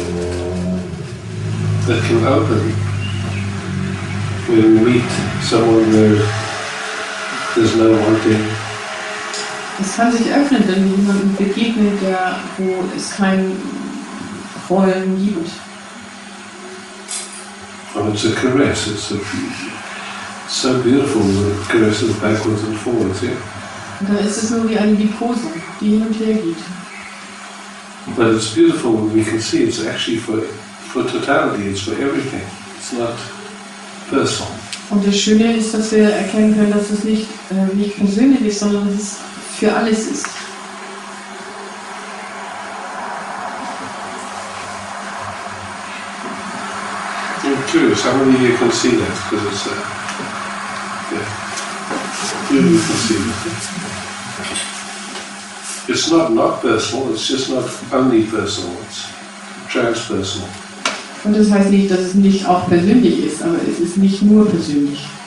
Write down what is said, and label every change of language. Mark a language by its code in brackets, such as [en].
[en] That can happen when we meet someone where there's no wanting. [de] Es kann sich öffnen, wenn jemandem begegnet, der, wo es kein Wollen gibt. Und es ist ein Caress, es ist [en] so beautiful, the caress of backwards and forwards, [de] ja. [en] Yeah? [de] Und dann ist es nur wie eine Liebkosung, die hin und her geht. [en] But it's beautiful when we can see it's actually for totality, it's for everything. It's not personal. [de] Und das Schöne ist, dass wir erkennen können, dass es nicht persönlich ist, sondern es ist für alles ist. [en] I'm curious, how many of you can see that? Because it's a... Yeah. You can see that. It's not personal, it's just not only personal, it's transpersonal. [de] Und das heißt nicht, dass es nicht auch persönlich ist, aber es ist nicht nur persönlich.